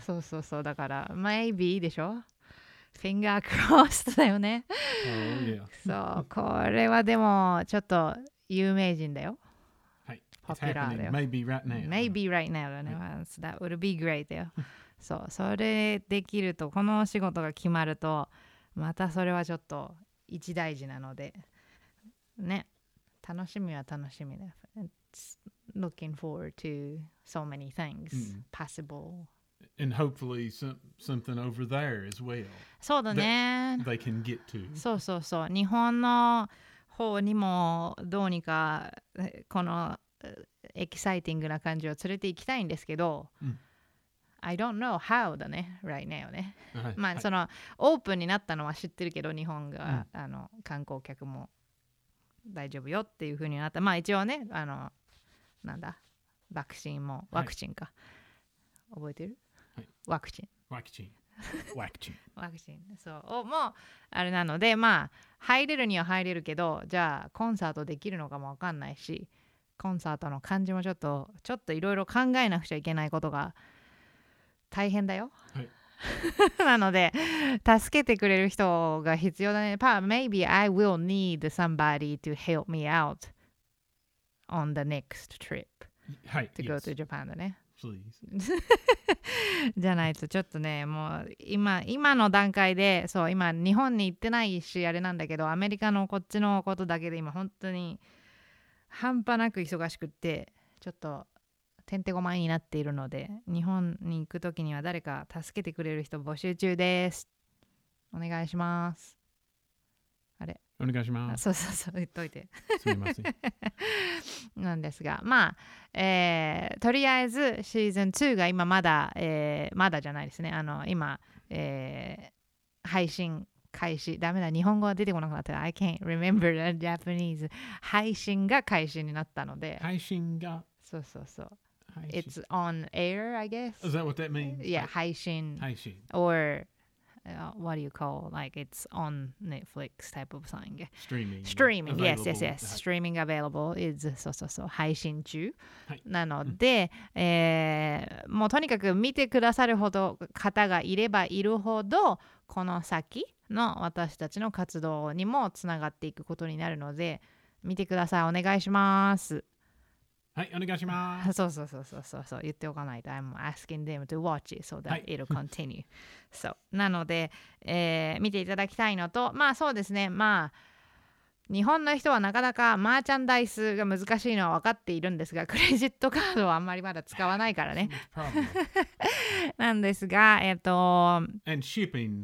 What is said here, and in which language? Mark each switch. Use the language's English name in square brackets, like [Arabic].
[Japanese] そうそうそう。だから maybe でしょ。 [English] Finger crossed [Japanese] だよね。 [English] Oh, yeah. [Japanese] そう、これはでもちょっと有名人だよ。はい。ポピュラーだよ。 [English] Maybe right now. Maybe right now [Japanese] だね。 [English] Right. That would be great [Japanese] だよ。そう、それできると、このお仕事が決まると、またそれはちょっと一大事なので、ね、楽しみは楽しみだ。 [English] It's looking forward to so many things、mm. possible. And hopefully something over there as well. [Japanese] そうだね。 [English] They can get to. [Japanese] そうそうそう。日本の方にもどうにかこのエキサイティングな感じを連れて行きたいんですけど、うん、 [English] I don't know how [Japanese] だね、 [English] right now ね。 [Japanese] はい、まあその、はい、オープンになったのは知ってるけど、日本が、うん、あの観光客も大丈夫よっていう風になった。まあ一応ね、あのなんだ、ワクチンもワクチンか、はい、覚えてる？ワクチン。そう。もう、あれなので、まあ、入れるには入れるけど、じゃあ、コンサートできるのかもわかんないし、コンサートの感じもちょっと、いろいろ考えなくちゃいけないことが、大変だよ。はい。なので、助けてくれる人が必要だね。 [English] Maybe I will need somebody to help me out on the next trip. [Japanese] はい。 [English] To go to Japan [Japanese] だね。 [English] Please. [Japanese] じゃないとちょっとねもう今の段階でそう今日本に行ってないしあれなんだけどアメリカのこっちのことだけで今本当に半端なく忙しくってちょっとてんてこまいになっているので日本に行くときには誰か助けてくれる人募集中ですお願いしますあれお願いしますそうそうそう言っといてすみませんなんですがまあとりあえずシーズン2が今まだ、まだじゃないですねあの今、配信開始ダメだ日本語は出てこなくなった [English] I can't remember the Japanese [Japanese] 配信が開始になったので配信がそうそうそう [English] It's on air I guess Is that what that means? Yeah 配信 [Japanese] 配信 [English] orWhat do you call like it's on Netflix type of thing? Streaming. Yes, yes, yes. Streaming available is so so so. [Japanese] 配信中、はい、なので、もうとにかく見てくださるほど方がいればいるほどこの先の私たちの活動にもつながっていくことになるので見てくださいお願いします。はい、お願いします。そうそうそうそうそうそう、言っておかないと。 [English] I'm asking them to watch it so that、はい、it'll continue. [Japanese] そう、なので、見ていただきたいのと、まあそうですね、まあ日本の人はなかなかマーチャンダイスが難しいのは分かっているんですが、クレジットカードはあんまりまだ使わないからね。なんですが、 [English] And shipping